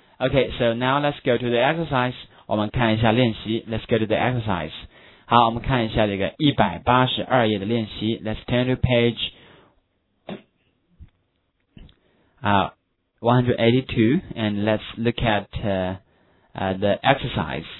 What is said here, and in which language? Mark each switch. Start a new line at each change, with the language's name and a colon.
English: Okay, so now let's go to the exercise.
Chinese: 我们看一下练习。
English: Let's go to the exercise.
Chinese: 好，我们看一下这个182页的练习。
English: Let's turn to page 182 and let's look at the exercise.